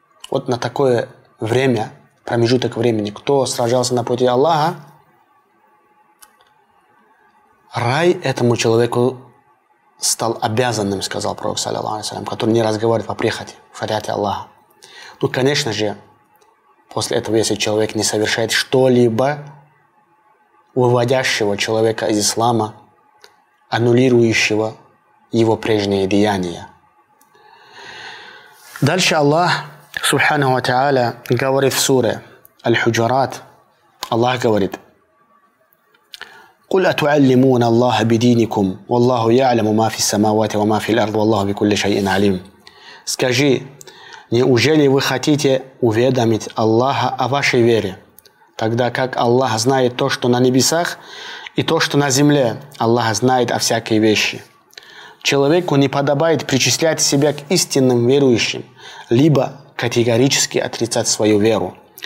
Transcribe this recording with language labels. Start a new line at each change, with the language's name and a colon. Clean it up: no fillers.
Russian: Вот на такое время, промежуток времени, кто сражался на пути Аллаха, рай этому человеку стал обязанным, сказал Пророк, саллаллаху алейхи ва саллям, который не разговаривает по прихоти в шариате Аллаха. Ну, конечно же, после этого, если человек не совершает что-либо, выводящего человека из ислама, аннулирующего его прежние деяния. Дальше Аллах, субханаху ва тааля, говорит в суре Аль-Худжурат, Аллах говорит:
Arabic: قل أتعلمون الله بدينكم والله يعلم ما في السماوات وما في الأرض والله بكل شيء عليم.
Russian: Скажи, неужели вы хотите уведомить Аллаха о вашей вере, тогда как Аллах знает то, что на небесах и то, что на земле. Аллах знает о всякой вещи. Человеку не подобает причислять себя к истинным верующим, либо категорически отрицать свою веру.